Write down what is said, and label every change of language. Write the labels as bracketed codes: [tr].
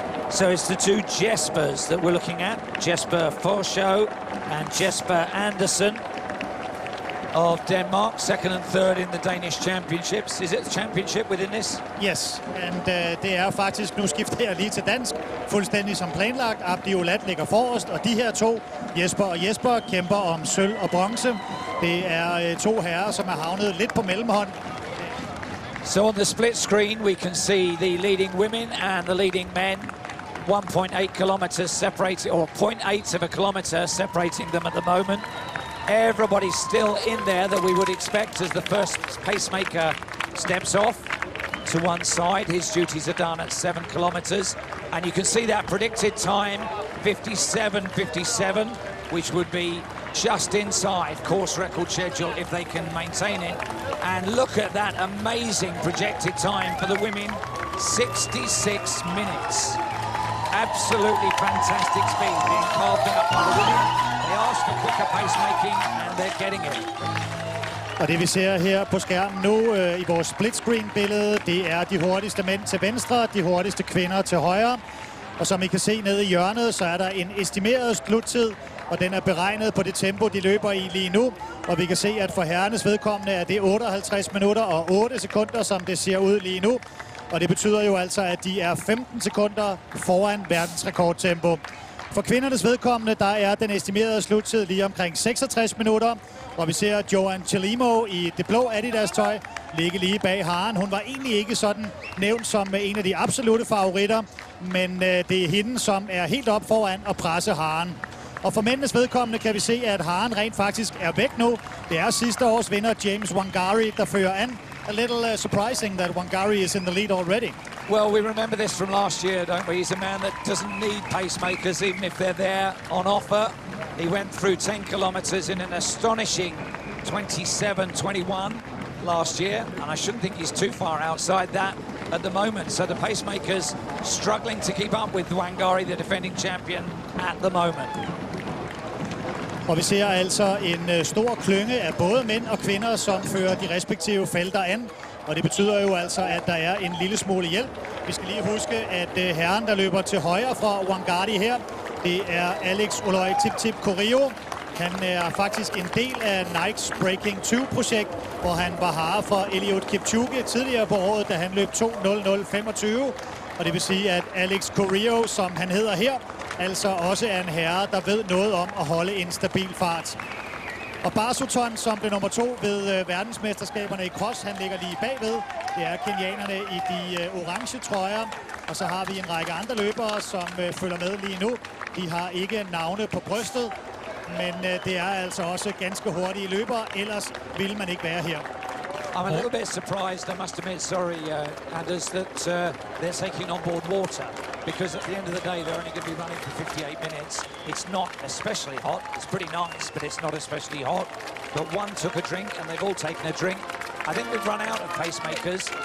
[en] So it's the two Jespers that we're looking at, Jesper Forshaug and Jesper Andersen of Denmark, second and third in the Danish Championships. Is it the championship within this? Yes, and [da] det er faktisk, nu skifter jeg lige til dansk, fuldstændig som planlagt. Abdi Olat ligger forrest, og de her to, Jesper og Jesper, kæmper om sølv og bronze. Det er to herrer, som er havnet lidt på mellemhånd. [en] So on the split screen, we can see the leading women and the leading men. 1.8 kilometers separating, or 0.8 of a kilometer separating them at the moment. Everybody's still in there that we would expect as the first pacemaker steps off to one side. His duties are done at 7 kilometers. And you can see that predicted time, 57.57, which would be just inside course record schedule if they can maintain it. And look at that amazing projected time for the women, 66 minutes. Absolutely fantastic speed being carved up by the women. They ask for quicker pacemaking and they're getting it. [da] Og det vi ser her på skærmen nu i vores split-screen-billede, det er de hurtigste mænd til venstre, de hurtigste kvinder til højre. Og som I kan se nede i hjørnet, så er der en estimeret sluttid, og den er beregnet på det tempo, de løber i lige nu. Og vi kan se, at for herrenes vedkommende er det 58 minutter og 8 sekunder, som det ser ud lige nu. Og det betyder jo altså, at de er 15 sekunder foran verdensrekordtempo. For kvindernes vedkommende, der er den estimerede sluttid lige omkring 66 minutter. Og vi ser Joanne Chelimo i det blå Adidas-tøj ligge lige bag haren. Hun var egentlig ikke sådan nævnt som en af de absolute favoritter. Men det er hende, som er helt op foran at presse haren. Og for mændenes vedkommende kan vi se, at haren rent faktisk er væk nu. Det er sidste års vinder James Wangari, der fører an. [en] A little surprising that Wangari is in the lead already. Well, we remember this from last year, don't we? He's a man that doesn't need pacemakers, even if they're there on offer. He went through 10 kilometers in an astonishing 27.21 last year, and I shouldn't think he's too far outside that at the moment. So the pacemakers struggling to keep up with Wangari, the defending champion, at the moment. [da] Og vi ser altså en stor klynge af både mænd og kvinder, som fører de respektive felter an. Og det betyder jo altså, at der er en lille smule hjælp. Vi skal lige huske, at herren, der løber til højre fra Wangardi her, det er Alex Oloy Tip-Tip Corio. Han er faktisk en del af Nikes Breaking 2-projekt, hvor han var hare for Eliud Kipchoge tidligere på året, da han løb 2:00:25. Og det vil sige, at Alex Corio, som han hedder her, altså også er en herre, der ved noget om at holde en stabil fart. Og Basuton, som blev nummer to ved verdensmesterskaberne i cross, han ligger lige bagved. Det er kenianerne i de orange trøjer. Og så har vi en række andre løbere, som følger med lige nu. De har ikke navne på brystet, men det er altså også ganske hurtige løbere. Ellers ville man ikke være her. [en] I'm a little bit surprised, I must admit, sorry, Anders, that they're taking on board water, because at the end of the day, they're only going to be running for 58 minutes. It's not especially hot. It's pretty nice, but it's not especially hot. But one took a drink, and they've all taken a drink. I think they've run out of pacemakers.